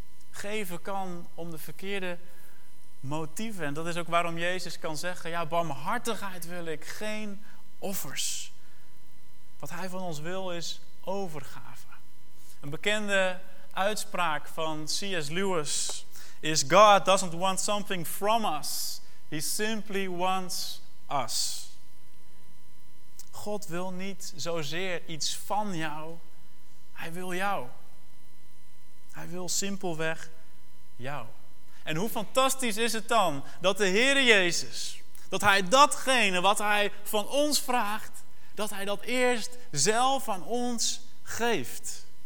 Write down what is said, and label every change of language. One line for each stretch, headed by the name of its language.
Dutch: Geven kan om de verkeerde motieven. En dat is ook waarom Jezus kan zeggen: ja, barmhartigheid wil ik, geen offers. Wat hij van ons wil is overgave. Een bekende uitspraak van C.S.
English: Lewis is: God doesn't want something from us. He simply wants us.
Dutch: God wil niet zozeer iets van jou. Hij wil jou. Hij wil simpelweg jou. En hoe fantastisch is het dan dat de Heere Jezus, dat hij datgene wat hij van ons vraagt, dat hij dat eerst zelf aan ons geeft.